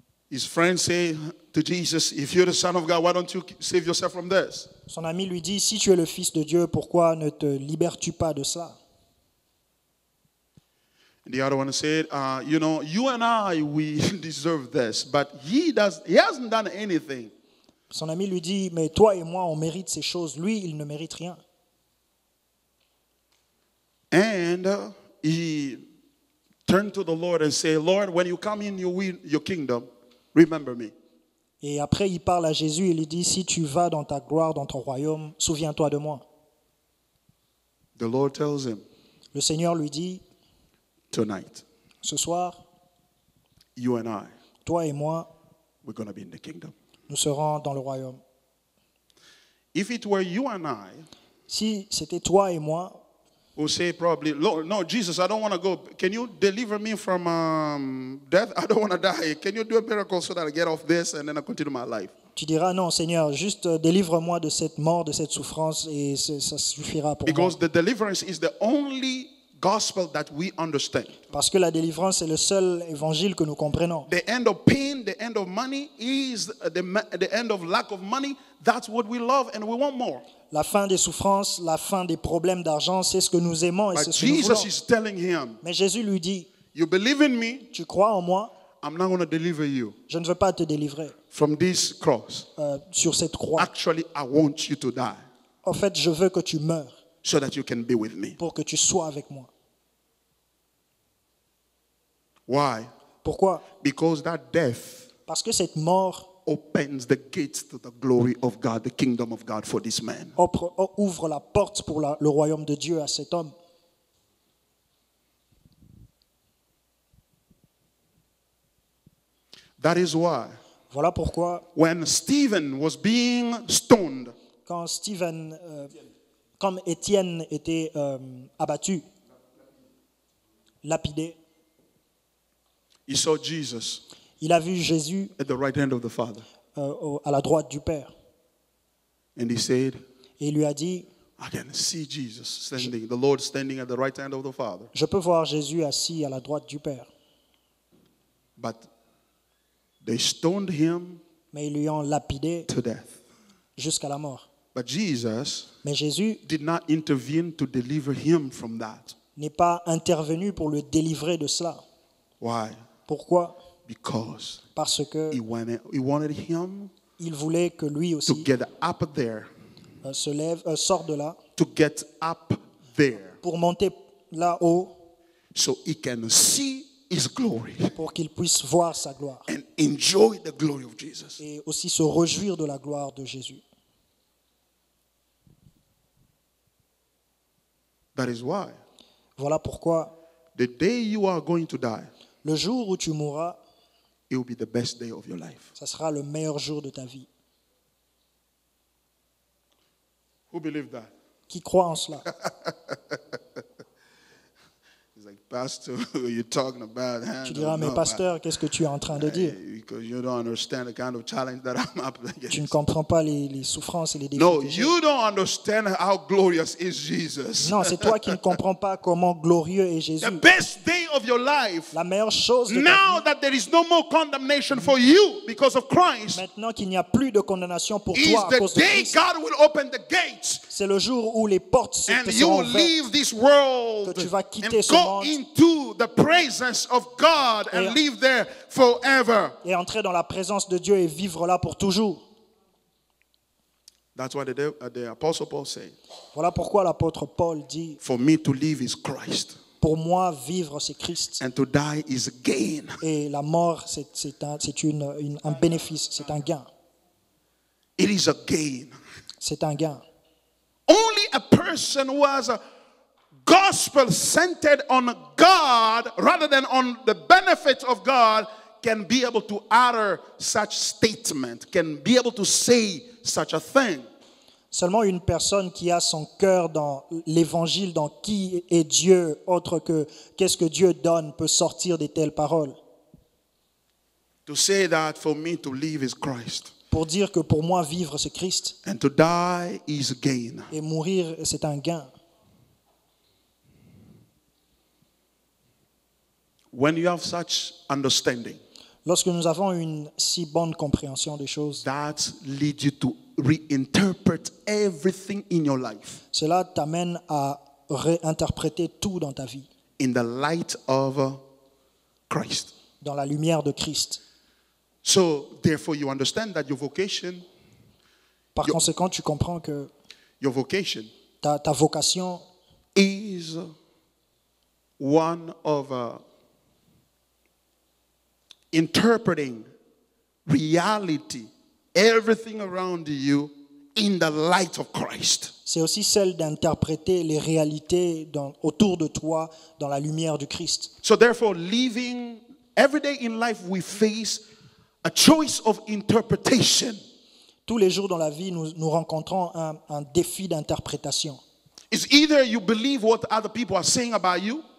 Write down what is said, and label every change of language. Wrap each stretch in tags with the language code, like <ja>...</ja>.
<en>His friends say to Jesus, "If you're the Son of God, why don't you save yourself from this?"</en> <fr>Son ami lui dit, si tu es le Fils de Dieu, pourquoi ne te libères-tu pas de ça?</fr> <en>The other one said, "You know, you and I, we deserve this, but he hasn't done anything."</en> <fr>Son ami lui dit, mais toi et moi, on mérite ces choses. Lui, il ne mérite rien.</fr> <en>And he turned to the Lord and said, "Lord, when you come in your kingdom, remember me."</en> <fr>Et après, il parle à Jésus et lui dit, si tu vas dans ta gloire, dans ton royaume, souviens-toi de moi.</fr> <en>The Lord tells him.</en> <fr>Le Seigneur lui dit.</fr> <en>Tonight,</en> <fr>ce soir,</fr> <en>you and I,</en> <fr>toi et moi,</fr> <en>we're going to be in the kingdom.</en> <fr>Nous serons dans le royaume.</fr> <en>If it were you and I,</en> <fr>si c'était toi et moi,</fr> <en>who say probably, Lord, no, Jesus, I don't want to go. Can you deliver me from death? I don't want to die. Can you do a miracle so that I get off this and then I continue my life?</en> <fr>Tu diras non, Seigneur, juste délivre-moi de cette mort, de cette souffrance, et ça suffira pour</fr> <en>Because Because the deliverance is the only gospel that we understand.</en> <fr>Parce que la délivrance est le seul évangile que nous comprenons.</fr> <en>The end of pain, the end of money is the end of lack of money. That's what we love and we want more.</en> <fr>La fin des souffrances, la fin des problèmes d'argent, c'est ce que nous aimons et</fr> <en>But</en> <fr>c'est ce</fr> <en>Jesus</en> <fr>que nous</fr> <en>is telling him,</en> <fr>Mais Jésus lui dit,</fr> <en>you believe in me,</en> <fr>tu crois en moi,</fr> <en>I'm not going to deliver you</en> <fr>je ne veux pas te délivrer</fr> <en>from this cross.</en> <fr>Sur cette croix.</fr> <en>Actually, I want you to die.</en> <fr>En fait, je veux que tu meures.</fr> <en>So that you can be with me.</en> <fr>Pour que tu sois avec moi.</fr> <en>Why?</en> <fr>Pourquoi?</fr> <en>Because that death</en> <fr>Parce que cette mort</fr> <en>opens the gates to the glory of God, the kingdom of God for this man.</en> <fr>Ouvre la porte pour le royaume de Dieu à cet homme.</fr> <en>That is why.</en> <fr>Voilà pourquoi.</fr> <en>When Stephen was being stoned.</en> <fr>Quand Stephen comme Étienne était abattu, lapidé,</fr> <en>He saw Jesus</en> <fr>il a vu Jésus</fr> <en>at the right hand of the Father.</en> <fr>À la droite du Père.</fr> <en>And he said,</en> <fr>Et il lui a dit, je peux voir Jésus assis à la droite du Père.</fr> <en>But they stoned him</en> <fr>Mais ils lui ont lapidé</fr> <en>to death.</en> <fr>Jusqu'à la mort.</fr> <en>But Jesus</en> <fr>Mais Jésus</fr> <en>did not intervene to deliver him from that.</en> <fr>N'est pas intervenu pour le délivrer de cela.</fr> <en>Why?</en> <fr>Pourquoi?</fr> <en>Because</en> <fr>Parce que</fr> <en>he wanted him</en> <fr>il voulait que lui aussi</fr> <en>to get up there,</en> <fr>se lève, sort de là</fr> <en>to get up there,</en> <fr>pour monter là-haut</fr> <en>so he can see his glory,</en> <fr>pour qu'il puisse voir sa gloire</fr> <en>and enjoy the glory of Jesus.</en> <fr>Et aussi se réjouir de la gloire de Jésus.</fr> <en>That is why.</en> <fr>Voilà pourquoi.</fr> <en>The day you are going to die.</en> <fr>Le jour où tu mourras.</fr> <en>It will be the best day of your life.</en> <fr>Ça sera le meilleur jour de ta vie.</fr> <en>Who believes that?</en> <fr>Qui croit en cela?</fr> <en>He's like, Pastor, who are you talking about?</en> <fr>Tu diras, mais pasteur, qu'est-ce que tu es en train de dire?</fr> <en>Because you don't understand the kind of challenge that I'm up against.</en> <fr>Tu ne comprends pas les souffrances et les défis.</fr> <en>No, you don't understand how glorious is Jesus.</en> <fr>Non, c'est toi qui ne comprends pas comment glorieux est Jésus.</fr> <en>The best day of your life.</en> <fr>La meilleure chose de ta vie.</fr> <en>Now that there is no more condemnation for you because of Christ.</en> <fr>Maintenant qu'il n'y a plus de condamnation pour toi à cause de Christ.</fr> <en>Is the day God will open the gates.</en> <fr>C'est le jour où les portes</fr> <en>And you will leave this world.</en> <fr>Que tu vas quitter ce monde.</fr> <en>Into the presence of God and live there forever.</en> <fr>Et entrer dans la présence de Dieu et vivre là pour toujours.</fr> <en>That's what the apostle Paul said.</en> <fr>Voilà pourquoi l'apôtre Paul dit.</fr> <en>For me to live is Christ.</en> <fr>Pour moi, vivre, c'est Christ.</fr> <en>And to die is gain.</en> <fr>Et la mort, c'est un bénéfice, c'est un gain.</fr> <en>It is a gain.</en> <fr>C'est un gain.</fr> <en>Only a person who has a gospel centered on God rather than on the benefits of God can be able to utter such statement, can be able to say such a thing.</en> <fr>Seulement une personne qui a son cœur dans l'évangile, dans qui est Dieu, autre que qu'est-ce que Dieu donne, peut sortir de telles paroles.</fr> <en>To say that for me to live is Christ.</en> <fr>Pour dire que pour moi vivre c'est Christ.</fr> <en>And to die is gain.</en> <fr>Et mourir c'est un gain.</fr> <en>When you have such understanding.</en> <fr>Lorsque nous avons une si bonne compréhension des choses.</fr> <en>That leads you to reinterpret everything in your life.</en> <fr>Cela t'amène à réinterpréter tout dans ta vie.</fr> <en>In the light of Christ.</en> <fr>Dans la lumière de Christ.</fr> <en>So therefore you understand that your vocation.</en> <fr>Par conséquent, tu comprends que</fr> <en>your vocation.</en> <fr>Ta vocation</fr> <en>is one of interpreting reality, everything around you, in the light of Christ.</en> <fr>C'est aussi celle d'interpréter les réalités autour de toi dans la lumière du Christ.</fr> <en>So therefore, living every day in life, we face a choice of interpretation.</en> <fr>Tous les jours dans la vie, nous rencontrons un défi d'interprétation.</fr> <en>It's either you believe what other people are saying about you.</en>